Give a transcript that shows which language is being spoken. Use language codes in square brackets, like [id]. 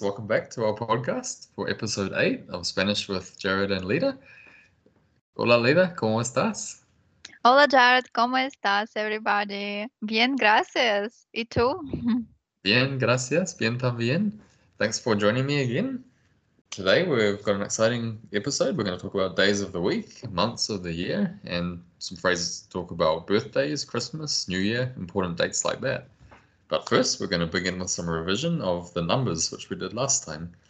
[en] Welcome back to our podcast for episode 8 of Spanish with Jared and Lida. [es] Hola Lida, ¿cómo estás? Hola Jared, ¿cómo estás everybody? Bien, gracias. ¿Y tú? Bien, gracias. Bien también. [en] Thanks for joining me again. Today we've got an exciting episode. We're going to talk about days of the week, months of the year, and some phrases to talk about birthdays, Christmas, New Year, important dates like that. But first, we're going to begin with some revision of the numbers, which we did last time.